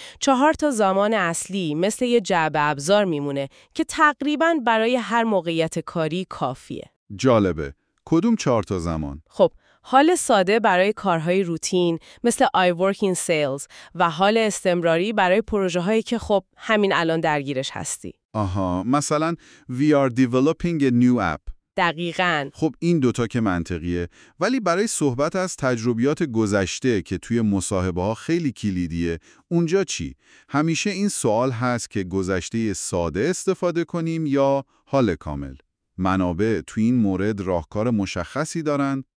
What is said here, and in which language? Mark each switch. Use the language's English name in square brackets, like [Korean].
[Persian] 4 تا زمان اصلی مثل یه جعبه ابزار میمونه که تقریبا برای هر موقعیت کاری کافیه. جالبه. کدوم 4 تا زمان؟ خب، حال ساده برای کارهای روتین مثل [English] I work in sales [Persian] و حال استمراری برای پروژه هایی که خب همین الان درگیرش هستی. آها، مثلا [English] we are developing a new app. [Persian] دقیقاً. خب این دوتا که منطقیه، ولی برای صحبت از تجربیات گذشته که توی مصاحبه ها خیلی کلیدیه، اونجا چی؟ همیشه این سوال هست که گذشته ساده استفاده کنیم یا حال کامل. منابع توی این مورد راهکار مشخصی دارن؟